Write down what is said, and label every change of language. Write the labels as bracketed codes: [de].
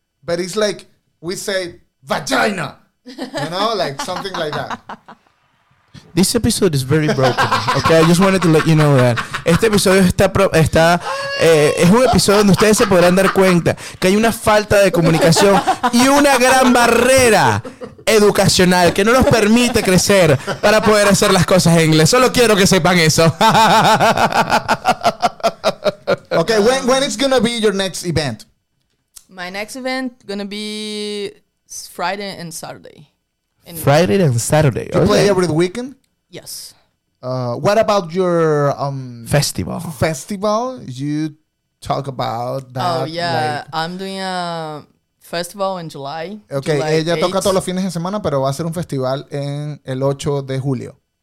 [en] But it's like we say vagina, you know, like something like that. This episode is very broken. Okay, I just wanted to let you know that. [es] Este episodio es un episodio donde ustedes se podrán dar cuenta que hay una falta de comunicación y una gran barrera educacional que no nos permite crecer para poder hacer las cosas en inglés. Solo quiero que sepan eso. [en] Okay, when is gonna be your next event? My next event gonna be Friday and Saturday. Friday and Saturday. You play every weekend? Yes. What about your festival? Festival? You talk about that? Oh yeah, like, I'm doing a festival in July. Okay, July [es] ella 8th. Toca todos los fines de semana, pero va a ser un festival en el 8 de julio.